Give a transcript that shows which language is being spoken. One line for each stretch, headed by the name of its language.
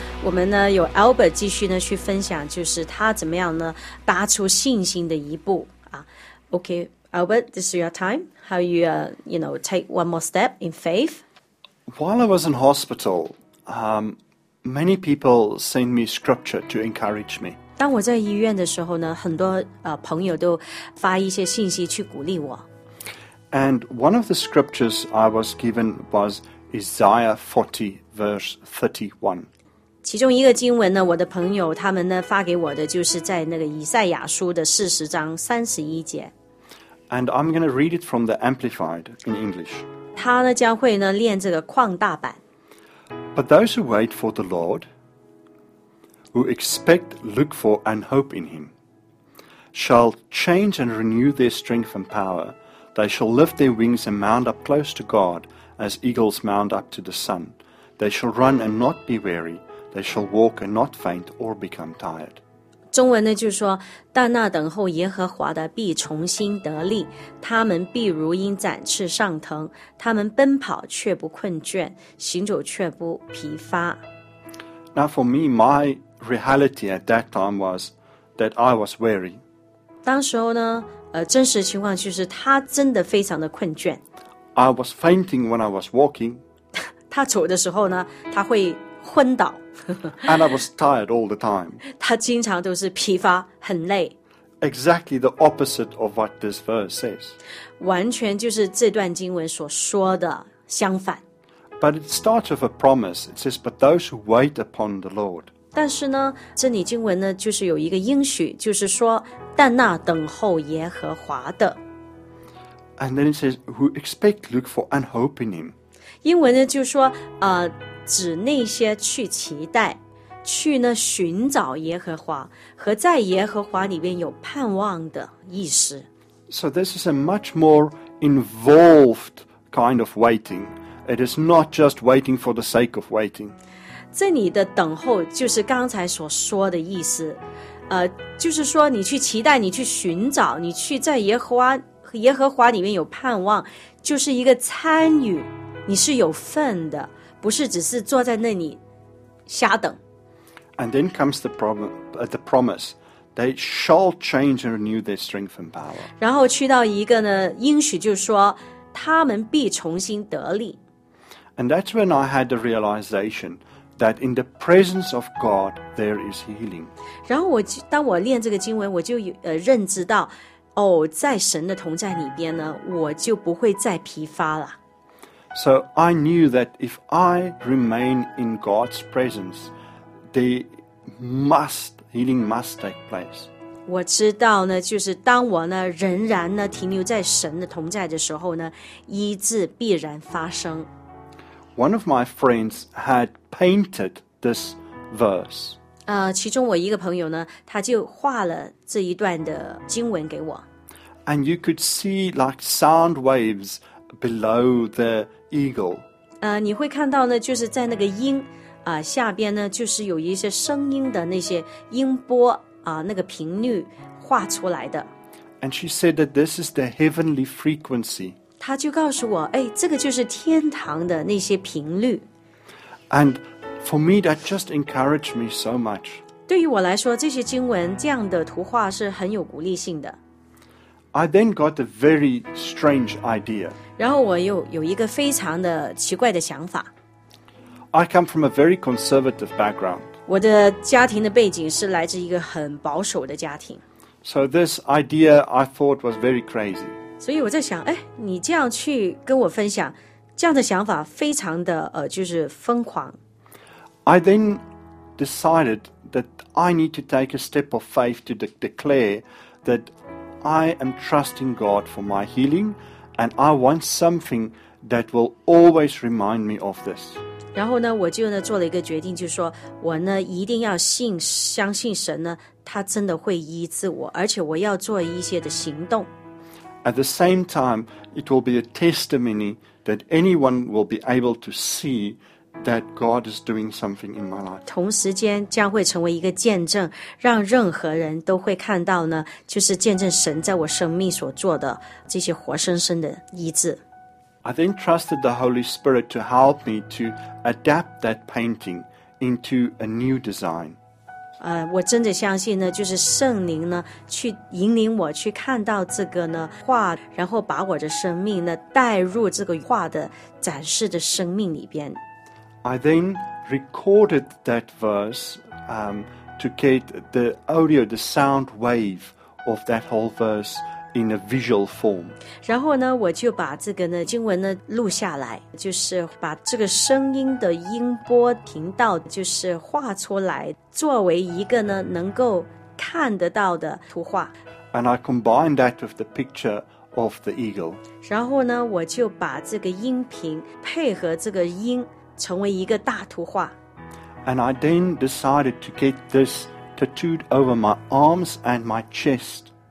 Chinese: 我们呢有 Albert 继续呢去分享，就是他怎么样呢拔出信心的一步啊。
English: OK Albert, this is your time. How you, you know, take one more step in faith? While I was in hospital, many people sent me scripture to encourage me.
Chinese: 当我在医院的时候呢，很多朋友都发一些信息去鼓励我。
English: And one of the scriptures I was given wasIsaiah 40 verse 31.
Chinese: 其中一个经文呢，我的朋友他们呢发给我的就是在那个以赛亚书的40章31节。
English: And I'm going to read it from the Amplified in English.
Chinese: 他呢将会呢练这个旷大版。
English: But those who wait for the Lord, who expect, look for, and hope in Him, shall change and renew their strength and power. They shall lift their wings and mount up close to God. As eagles mount up to the sun, they shall run and not be weary, they shall walk and not faint or become tired.
Chinese: 中文呢就是说，但那等候耶和华的必重新得力，他们必如鹰展翅上腾，他们奔跑却不困倦，行走却不疲乏。
English: Now for me, my reality at that time was that I was weary.
Chinese: 当时候呢，真实情况就是他真的非常的困倦。
English: I was fainting when I was walking.
Chinese: 他走的时候呢，他会昏倒。
English: And I was tired all the time.
Chinese: 他经常都是疲乏，很累。
English: Exactly the opposite of what this verse says.
Chinese: 完全就是这段经文所说的相反。
English: But it starts with a promise. It says, "But those who wait upon the Lord."
Chinese: 但是呢，这里经文呢，就是有一个应许，就是说，但那等候耶和华的。
English: And then it says, who expect, look for, and hope in him.
Chinese: 英文呢就说，指那些去期待，去呢寻找耶和华，和在耶和华里面有盼望的意思。
English: So this is a much more involved kind of waiting. It is not just waiting for the sake of waiting.
Chinese: 这里的等候就是刚才所说的意思，就是说你去期待，你去寻找，你去在耶和华。耶和华里面有盼望，就是一个参与，你是有份的，不是只是坐在那里瞎等。
English: And then comes the problem, the promise. They shall change and renew their strength and power.
Chinese: 然后去到一个呢应许，就说他们必重新得力。
English: And that's when I had the realization that in the presence of God there is healing.
Chinese: 然后我当我练这个经文，我就认知到。 Oh, 在神的同在里边呢，我就不会再疲乏了。
English: So I knew that if I remain in God's presence, healing must take place.
Chinese: 我知道呢，就是当我呢仍然呢停留在神的同在的时候呢，医治必然发生。
English: One of my friends had painted this verse.
Chinese: 其中我一个朋友呢，他就画了这一段的经文给我。
English: And you could see like sound waves below the eagle.
Chinese: 你会看到呢，就是在那个鹰下边呢，就是有一些声音的那些音波那个频率画出来的。
English: And she said that this is the heavenly frequency.
Chinese: 她就告诉我，哎，这个就是天堂的那些频率。
English: And for me, that just encouraged me so much.
Chinese: 对于我来说，这些经文这样的图画是很有鼓励性的。
English: I then got a very strange idea.
Chinese: 然后我又有一个非常的奇怪的想法。
English: I come from a very conservative background.
Chinese: 我的家庭的背景是来自一个很保守的家庭。
English: So this idea I thought was very crazy.
Chinese: 所以我在想，哎，你这样去跟我分享，这样的想法非常的就是疯狂。
English: I then decided that I need to take a step of faith to declare that I am trusting God for my healing, and I want something that will always remind me of this.
Chinese: 然后呢，我就呢做了一个决定，就是说我呢一定要信，相信神呢，他真的会医治我，而且我要做一些的行动。
English: At the same time, it will be a testimony that anyone will be able to see that God is doing something in my life.
Chinese: 同时间将会成为一个见证，让任何人都会看到呢，就是见证神在我生命所做的这些活生生的医治。
English: I then trusted the Holy Spirit to help me to adapt that painting into a new design.
Chinese: 我真的相信呢，就是圣灵呢，去引领我去看到这个呢画，然后把我的生命呢带入这个画的展示的生命里边。
English: I then recorded that verse to get the audio, the sound wave of that whole verse in a visual form.
Chinese: 然后呢，我就把这个呢经文呢录下来，就是把这个声音的音波频道就是画出来，作为一个呢能够看得到的图画。
English: And I combined that with the picture of the eagle.
Chinese: 然后呢，我就把这个音频配合这个音。成为一个大图画。
English: And I then decided to get this tattooed over my arms and my chest.